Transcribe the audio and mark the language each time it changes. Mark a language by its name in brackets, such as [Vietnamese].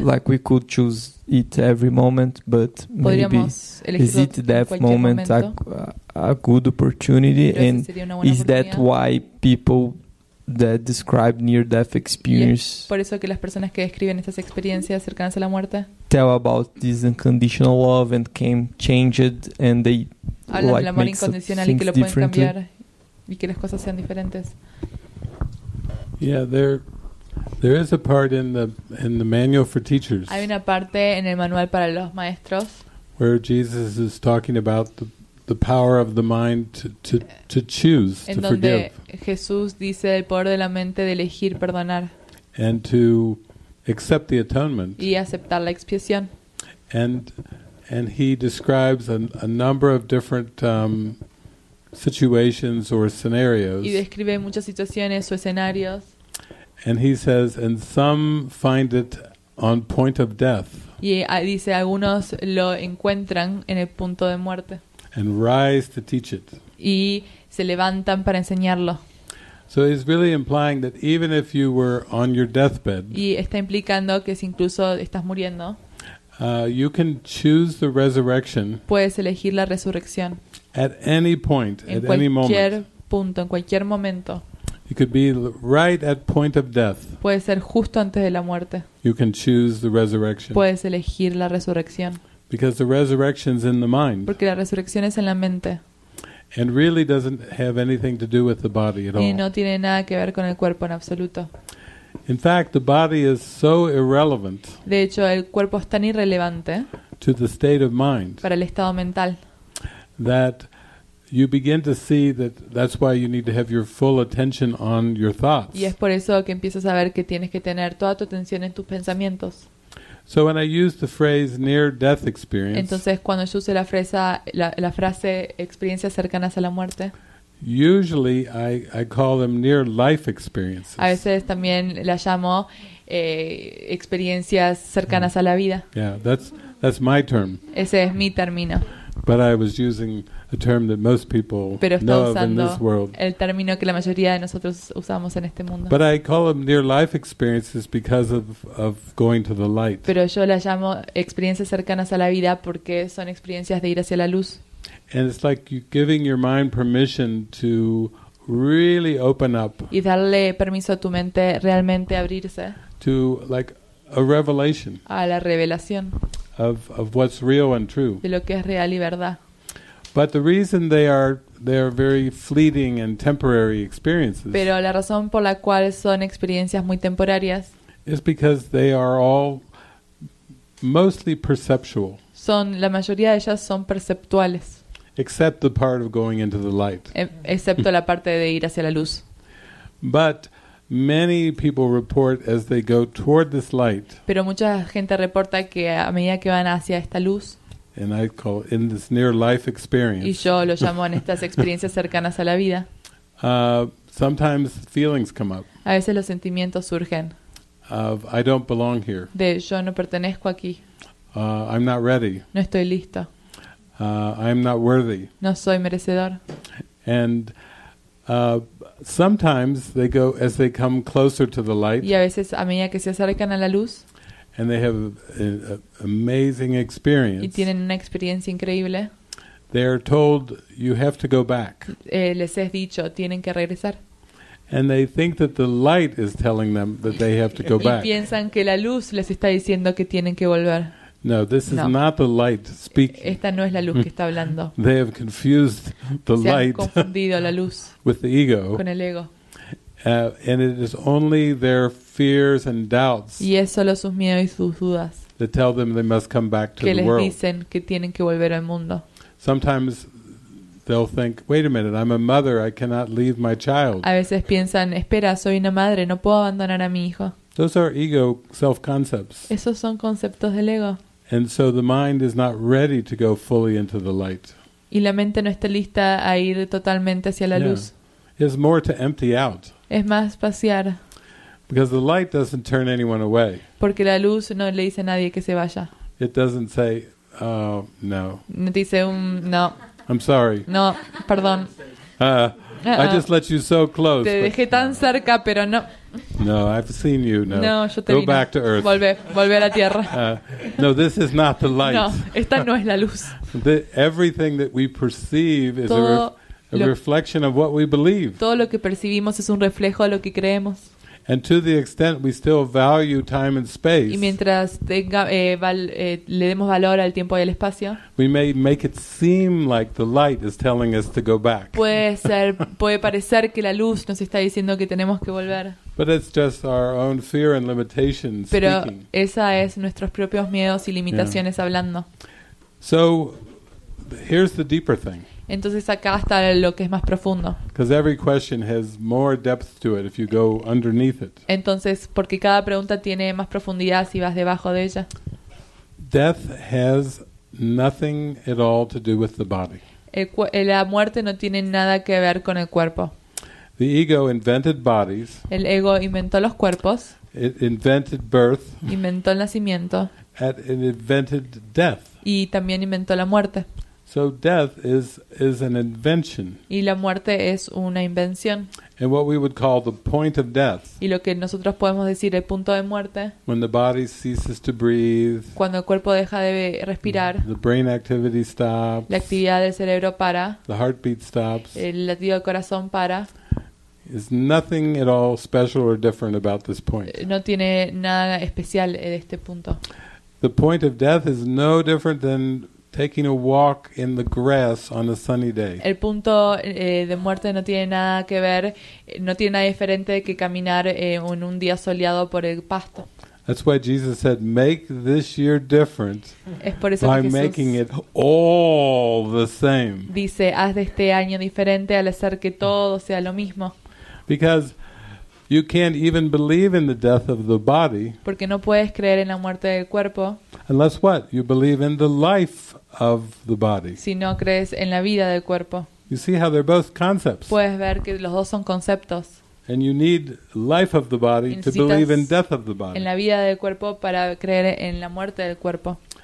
[English] Like we could choose it every moment, but maybe is it death moment a good opportunity? And is that why people that describe near-death experience? [Spanish] Por eso que las personas que describen estas experiencias cercanas a la muerte [English] tell about this unconditional love and came changed and they like make things differently. [Spanish] Y que las cosas sean diferentes. [English] Yeah, there is a part in the manual for teachers. [Spanish] Hay una parte en el manual para los maestros. [English] Where Jesus is talking about the power of the mind to choose to forgive. [Spanish] En donde Jesús dice el poder de la mente de elegir perdonar. [English] And to accept the atonement. [Spanish] Y aceptar la expiación. [English] And he describes a number of different situations or scenarios. [Spanish] Y describe muchas situaciones o escenarios. [English] And he says, and some find it on point of death. [Spanish] Y dice algunos lo encuentran en el punto de muerte. [English] And rise to teach it. [Spanish] Y se levantan para enseñarlo. [English] So he's really implying that even if you were on your deathbed. [Spanish] Y está implicando que si incluso estás muriendo. [English] You can choose the resurrection. [Spanish] Puedes elegir la resurrección. [English] At any point, at any moment. [Spanish] En cualquier punto, en cualquier momento. [English] You could be right at point of death. [Spanish] Puede ser justo antes de la muerte. [English] You can choose the resurrection. [Spanish] Puedes elegir la resurrección. [English] Because the resurrection is in the mind. [Spanish] Porque la resurrección es en la mente. [English] And really doesn't have anything to do with the body at all. [Spanish] Y no tiene nada que ver con el cuerpo en absoluto. [English] In fact, the body is so irrelevant. [Spanish] De hecho, el cuerpo es tan irrelevante. [English] To the state of mind. [Spanish] Para el estado mental. [English] That you begin to see that that's why you need to have your full attention on your thoughts. [Spanish] Y es por eso que empiezas a ver que tienes que tener toda tu atención en tus pensamientos. [English] So when I use the phrase near death experience. [Spanish] Entonces cuando yo uso la frase experiencias cercanas a la muerte. [English] Usually I call them near life experiences. [Spanish] A veces también la llamo experiencias cercanas a la vida. [English] Yeah, that's my term. [Spanish] Ese es mi término. [English] But I was using a term that most people know of in this world. [Spanish] El término que la mayoría de nosotros usamos en este mundo. [English] But I call them near life experiences because of going to the light. [Spanish] Pero yo las llamo experiencias cercanas a la vida porque son experiencias de ir hacia la luz. [English] And it's like you giving your mind permission to really open up. [Spanish] Y darle permiso a tu mente realmente abrirse. [English] To like a revelation. [Spanish] A la revelación. [English] Of what's real and true. [Spanish] De lo que es real y verdad. [English] But the reason they are very fleeting and temporary experiences. [Spanish] Pero la razón por la cual son experiencias muy temporarias. [English] Is because they are all mostly perceptual. [Spanish] Son la mayoría de ellas son perceptuales. [English] Except the part of going into the light. [Spanish] Excepto la parte de ir hacia la luz. [English] But many people report as they go toward this light. [Spanish] Pero mucha gente reporta que a medida que van hacia esta luz. [English] And I call it in this near life experience. [Spanish] Y yo lo llamo en estas experiencias cercanas a la vida. [English] Sometimes feelings come up. [Spanish] A veces los sentimientos surgen. [English] Of I don't belong here. [Spanish] De yo no pertenezco aquí. [English] I'm not ready. [Spanish] No estoy listo. [English] I'm not worthy. [Spanish] No soy merecedor. [English] And sometimes they go as they come closer to the light. [Spanish] Y a veces a medida que se acercan a la luz. [English] And they have an amazing experience. [Spanish] Y tienen una experiencia increíble. [English] They are told you have to go back. [Spanish] Les es dicho tienen que regresar. [English] And they think that the light is telling them that they have to go back. [Spanish] Y piensan que la luz les está diciendo que tienen que volver. [English] No, this is no. not the light speaking. [Spanish] Esta no es la luz que está hablando. [English] They have confused the light [Spanish] confundido la luz [English] with the ego. [Spanish] Con el ego. [English] And it is only their fears and doubts [Spanish] y es solo sus miedos y sus dudas [English] that tell them they must come back to [Spanish] que [English] the world. [Spanish] Que les dicen que tienen que volver al mundo. [English] Sometimes they'll think, wait a minute, I'm a mother, I cannot leave my child. [Spanish] A veces piensan, espera, soy una madre, no puedo abandonar a mi hijo. [English] Those are ego self-concepts. [Spanish] Esos son conceptos del ego. [English] And so the mind is not ready to go fully into the light. [Spanish] Y la mente no está lista a ir totalmente hacia la luz. [English] It's more to empty out. [Spanish] Es más vaciar. [English] Because the light doesn't turn anyone away. [Spanish] Porque la luz no le dice a nadie que se vaya. [English] It doesn't say, oh, no. [Spanish] No dice no. [English] I'm sorry. [Spanish] No, perdón. [English] I just let you so close. [Spanish] Te dejé tan cerca, pero no. [English] No, I've seen you. No, [Spanish] no yo te [English] Go [Spanish] vine. [English] Back to earth. [Spanish] Volve a la tierra. [English] No, this is not the light. [Spanish] No, esta no es la luz. [English] Everything that we perceive is a reflection of what we believe. [Spanish] Todo lo que percibimos es un reflejo de lo que creemos. [English] And to the extent we still value time and space, [Spanish] y mientras tenga, le demos valor al tiempo y al espacio, [English] we may make it seem like the light is telling us to go back. [Spanish] puede parecer que la luz nos está diciendo que tenemos que volver. [English] But it's just our own fear and limitations [Spanish] Pero [English] speaking. [Spanish] Pero esa es nuestros propios miedos y limitaciones hablando. [English] So, here's the deeper thing. [Spanish] Entonces acá está lo que es más profundo. [English] Because every question has more depth to it if you go underneath it. [Spanish] Entonces, porque cada pregunta tiene más profundidad si vas debajo de ella. [English] Death has nothing at all to do with the body. [Spanish] La muerte no tiene nada que ver con el cuerpo. [English] The ego invented bodies. [Spanish] El ego inventó los cuerpos. [English] It invented birth. [Spanish] Inventó el nacimiento. [English] And it invented death. [Spanish] Y también inventó la muerte. [English] So death is an invention. [Spanish] Y la muerte es una invención. [English] And what we would call the point of death. [Spanish] Y lo que nosotros podemos decir el punto de muerte. [English] When the body ceases to breathe. [Spanish] Cuando el cuerpo deja de respirar. [English] The brain activity stops. [Spanish] La actividad del cerebro para. [English] The heartbeat stops. [Spanish] El latido del corazón para. [English] Is nothing at all special or different about this point. [Spanish] No tiene nada especial de este punto. [English] The point of death is no different than taking a walk in the grass on a sunny day. [Spanish] El punto de muerte no tiene nada que ver, no tiene nada diferente que caminar en un día soleado por el pasto. [English] That's why Jesus said, "Make this year different." [Spanish] Es por eso [English] by [Spanish] que Jesús [English] making it all the same. [Spanish] Dice, haz de este año diferente al hacer que todo sea lo mismo. [English] Because you can't even believe in the death of the body. [Spanish] Porque no puedes creer en la muerte del cuerpo. [English] Unless what? You believe in the life of the body. [Spanish] Si no crees en la vida del cuerpo. [English] You see how they're both concepts. [Spanish] Puedes ver que los dos son conceptos. [English] And you need life of the body to believe in death of the body. [Spanish] En la vida del cuerpo para creer en la muerte del cuerpo.